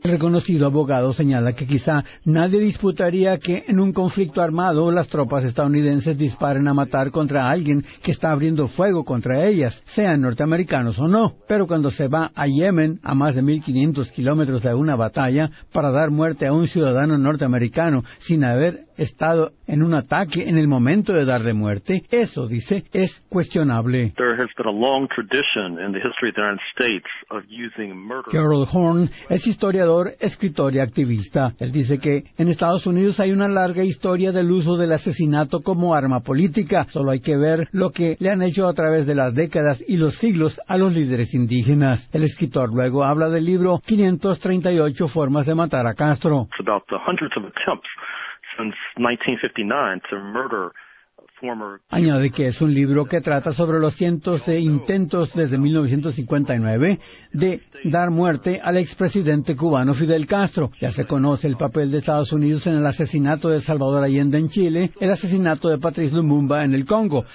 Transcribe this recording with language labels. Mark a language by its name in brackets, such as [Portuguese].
[Spanish] El reconocido abogado señala que quizá nadie disputaría que en un conflicto armado las tropas estadounidenses disparen a matar contra alguien que está abriendo fuego contra ellas, sean norteamericanos o no. Pero cuando se va a Yemen, a más de 1.500 kilómetros de una batalla, para dar muerte a un ciudadano norteamericano sin haber estado en un ataque en el momento de darle muerte, eso, dice, es cuestionable. [English] There has been a long tradition in the history of the United States. Of using murder. [Spanish] Gerald Horn es historiador, escritor y activista. Él dice que en Estados Unidos hay una larga historia del uso del asesinato como arma política. Solo hay que ver lo que le han hecho a través de las décadas y los siglos a los líderes indígenas. El escritor luego habla del libro 538 formas de matar a Castro. [English] It's about the hundreds of attempts since 1959 to murder. [Spanish] Añade que es un libro que trata sobre los cientos de intentos desde 1959 de dar muerte al expresidente cubano Fidel Castro. Ya se conoce el papel de Estados Unidos en el asesinato de Salvador Allende en Chile, el asesinato de Patrice Lumumba en el Congo.